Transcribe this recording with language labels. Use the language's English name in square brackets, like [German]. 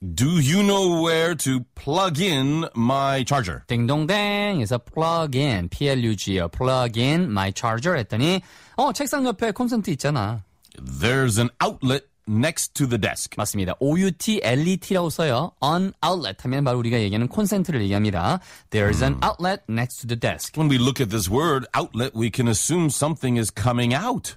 [English] Do you know where to plug in my charger? [Korean] 딩동댕 is a plug in, P-L-U-G-O, [English] plug in my charger [Korean] 했더니 어, 책상 옆에 콘센트 있잖아. [English] There's an outlet next to the desk. [Korean] 맞습니다. O-U-T-L-E-T라고 써요. An outlet 하면 바로 우리가 얘기하는 콘센트를 얘기합니다. [English] There's an outlet next to the desk. When we look at this word, outlet, we can assume something is coming out.